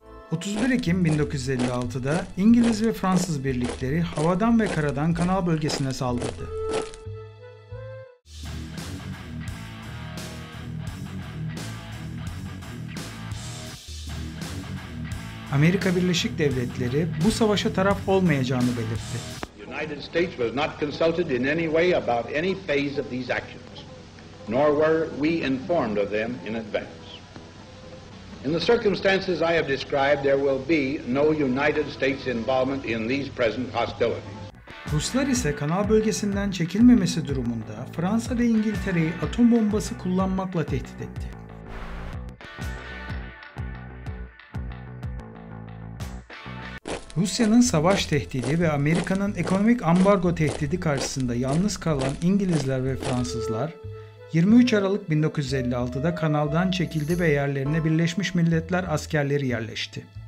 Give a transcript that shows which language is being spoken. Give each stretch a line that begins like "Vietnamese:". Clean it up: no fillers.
Turkish: 31 Ekim 1956'da İngiliz ve Fransız birlikleri havadan ve karadan kanal bölgesine saldırdı. Amerika Birleşik Devletleri bu savaşa taraf olmayacağını belirtti.
English: United States was not consulted in any way about any phase of these actions, nor were we informed of them in advance. In the circumstances I have described, there will be no United States involvement in these present hostilities.
Turkish: Ruslar ise kanal bölgesinden çekilmemesi durumunda Fransa ve İngiltere'yi atom bombası kullanmakla tehdit etti. Rusya'nın savaş tehdidi ve Amerika'nın ekonomik ambargo tehdidi karşısında yalnız kalan İngilizler ve Fransızlar, 23 Aralık 1956'da kanaldan çekildi ve yerlerine Birleşmiş Milletler askerleri yerleşti.